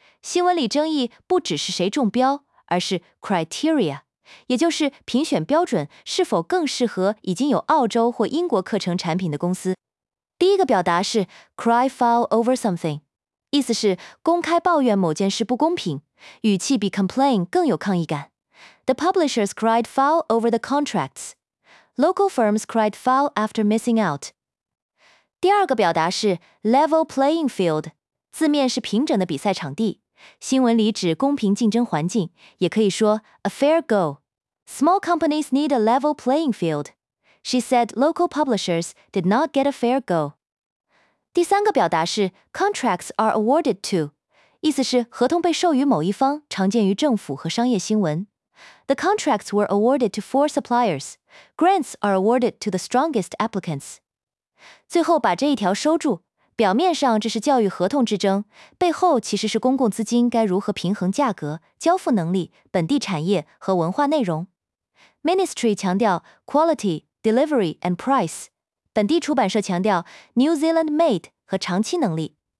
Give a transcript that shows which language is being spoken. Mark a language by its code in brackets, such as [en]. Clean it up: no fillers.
[zh] 新闻里争议不只是谁中标，而是 criteria， 也就是评选标准是否更适合已经有澳洲或英国课程产品的公司。第一个表达是 [en] cry foul over something， [zh] 意思是公开抱怨某件事不公平，语气比 complain 更有抗议感。 [en] The publishers cried foul over the contracts. Local firms cried foul after missing out. [zh] 第二个表达是 level playing field， 字面是平整的比赛场地，新闻里指公平竞争环境，也可以说 [en] a fair go. Small companies need a level playing field. She said local publishers did not get a fair go. [zh] 第三个表达是 [en] contracts are awarded to， [zh] 意思是合同被授予某一方，常见于政府和商业新闻。 [en] The contracts were awarded to 4 suppliers. Grants are awarded to the strongest applicants. [zh] 最后把这一条收住，表面上这是教育合同之争，背后其实是公共资金该如何平衡价格、交付能力、本地产业和文化内容。 Ministry 强调 [en] qualityDelivery and price， [zh] 本地出版社强调 [en] New Zealand made [zh] 和长期能力。